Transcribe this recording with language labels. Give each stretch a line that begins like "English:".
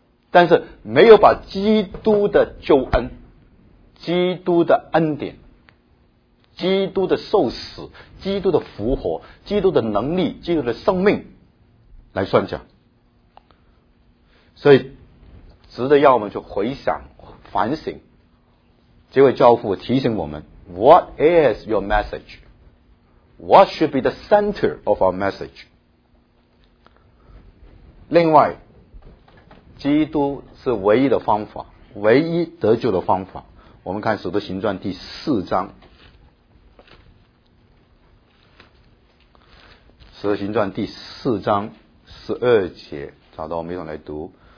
Chinese: 但是没有把基督的救恩、基督的恩典、基督的受死、基督的复活、基督的能力、基督的生命来宣讲。所以值得要我们去回想反省。这位教父提醒我们，
English: What is your message? What should be the center of our message?
Chinese: 另外，基督是唯一的方法，唯一得救的方法。我们看使徒行传第四章，使徒行传第四章十二节，找到我们一同来读。